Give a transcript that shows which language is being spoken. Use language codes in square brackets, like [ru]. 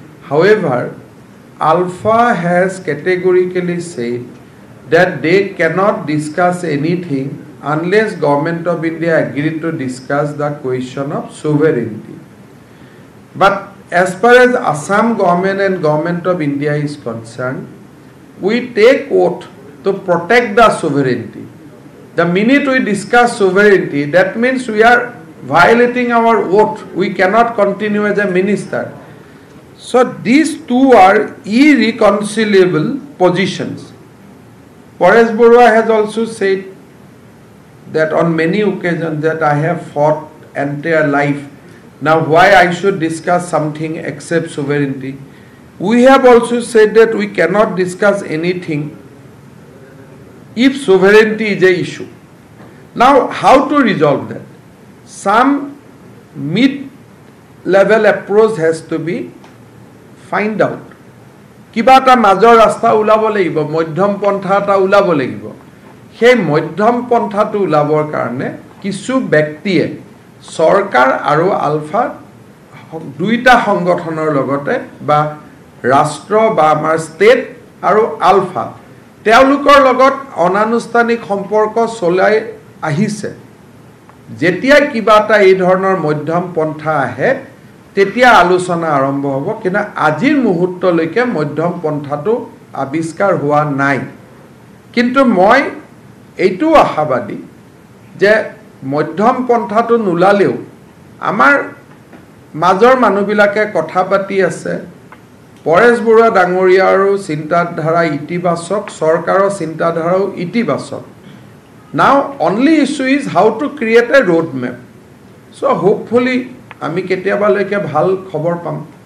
[en] However ULFA has categorically said that they cannot discuss anything unless government of India agree to discuss the question of sovereignty. But as far as Assam government and government of India is concerned we take oath to protect the sovereignty. The minute we discuss sovereignty, that means we are violating our oath. We cannot continue as a minister. So these two are irreconcilable positions. Paresh Borua has also said that on many occasions that I have fought entire life. Now why I should discuss something except sovereignty? We have also said that we cannot discuss anything if sovereignty is an issue. Now, how to resolve that? Some mid-level approach has to be find out. [as] কিবা এটা মাজৰ ৰাস্তা ওলাব লাগিব, মধ্যম পন্থা এটা ওলাব লাগিব। সেই মধ্যম পন্থাটো ওলাবৰ কাৰণে কিছু ব্যক্তিয়ে চৰকাৰ আৰু আলফা দুইটা সংগঠনৰ লগতে বা ৰাষ্ট্ৰ বা আমাৰ ষ্টেট আৰু আলফা তেওঁলোকৰ লগত অনানুষ্ঠানিক সম্পৰ্ক চলাই আহিছে। যেতিয়া কিবা এটা এই ধৰণৰ মধ্যম পন্থা আহে তেতিয়া আলোচনা আৰম্ভ হ'ব। কিন্তু আজিৰ মুহূৰ্তলৈকে মধ্যম পন্থাটো আৱিষ্কাৰ হোৱা নাই। কিন্তু মই এইটোও আশাবাদী যে মধ্যম পন্থাটো নোলালেও আমাৰ মাজৰ মানুহবিলাকে কথা পাতি আছে। পৰেশ বৰুৱা ডাঙৰীয়াৰো চিন্তাধাৰা ইতিবাচক, চৰকাৰৰ চিন্তাধাৰাও ইতিবাচক। [en] Now only issue is how to create a road map. So hopefully [as] আমি কেতিয়াবা লৈকে ভাল খবৰ পাম।